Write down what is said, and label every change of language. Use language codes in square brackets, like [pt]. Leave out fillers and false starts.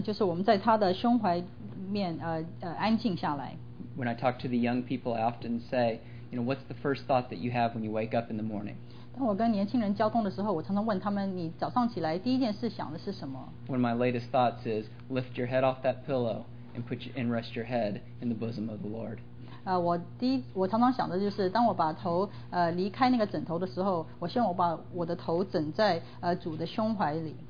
[zh] 就是我们在他的胸怀面安静下来。 [en] When I talk to the young people, I often say, you know, what's the first thought that you have when you wake up in the morning? [zh] 当我跟年轻人交通的时候，我常常问他们，你早上起来第一件事想的是什么？ [en] One of my latest thoughts is, lift your head off that pillow and rest your head in the bosom of the Lord. [zh] 我常常想的就是当我把头离开那个枕头的时候我希望我把我的头枕在主的胸怀里